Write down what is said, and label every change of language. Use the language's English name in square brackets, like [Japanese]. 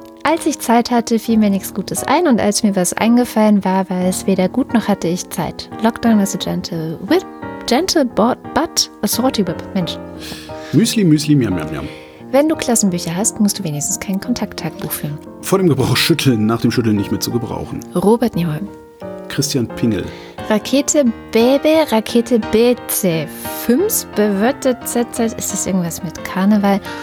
[German] Als ich Zeit hatte, fiel mir nichts Gutes ein und als mir was eingefallen war, war es weder gut noch hatte ich Zeit. [English] Lockdown is a gentle but a salty whip. [German] Mensch. Müsli, Müsli, miam, miam, miam. Wenn du Klassenbücher hast, musst du wenigstens kein Kontakttagbuch führen. Vor dem Gebrauch schütteln, nach dem Schütteln nicht mehr zu gebrauchen. Robert Nieholm. Christian Pingel. Rakete Bebe, Rakete BC. Fünfs bewirtet ZZ, ist das irgendwas mit Karneval?